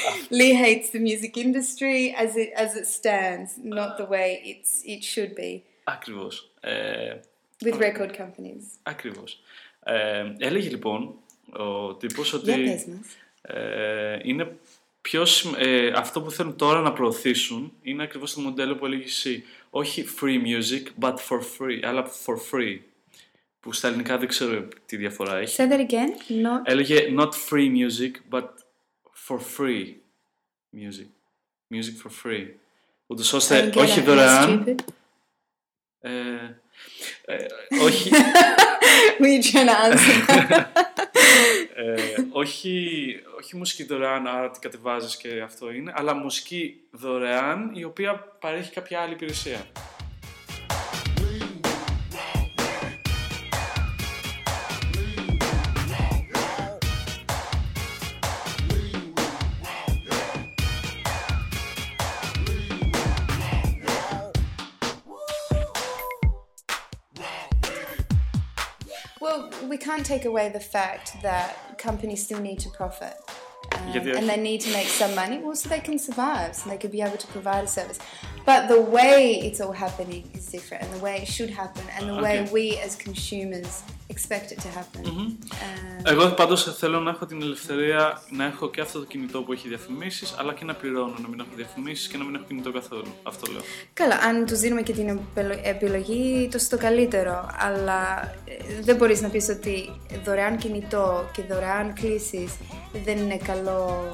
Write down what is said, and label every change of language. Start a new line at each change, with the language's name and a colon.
English: Lee hates the music industry as it stands, not the way it should be.
Greek: Ακριβώς.
English: With record companies.
Greek: Ακριβώς. Έλεγε λοιπόν ο τύπος ότι είναι πιο αυτό που θέλουν τώρα να προωθήσουν είναι ακριβώς το μοντέλο που έλεγε εσύ. Όχι
English: free music, but for free,
Greek: αλλά
English: for free.
Greek: Που στα ελληνικά δεν ξέρω τι διαφορά έχει.
English: Say that again.
Greek: Έλεγε
English: not free music, but for free music. Music for free.
Greek: Ούτως ώστε όχι δωρεάν. Όχι.
English: We need to answer.
Greek: Όχι μουσική δωρεάν, άρα την κατεβάζεις και αυτό είναι, αλλά μουσική δωρεάν η οποία παρέχει κάποια άλλη υπηρεσία.
English: We can't take away the fact that companies still need to profit and they need to make some money so they can survive, so they could be able to provide a service. But the way it's all happening is different, and the way it should happen, and the way we as consumers expect it to happen.
Greek: Εγώ πάντως θέλω να έχω την ελευθερία να έχω και αυτό το κινητό που έχει διαφημίσεις, αλλά και να πληρώνω να μην έχω διαφημίσεις και να μην έχω κινητό καθόλου. Αυτό λέω. Καλά, αν του δίνουμε και την επιλογή, τόσο το καλύτερο. Αλλά δεν μπορείς να πεις ότι δωρεάν κινητό και δωρεάν κλήσεις δεν είναι καλό.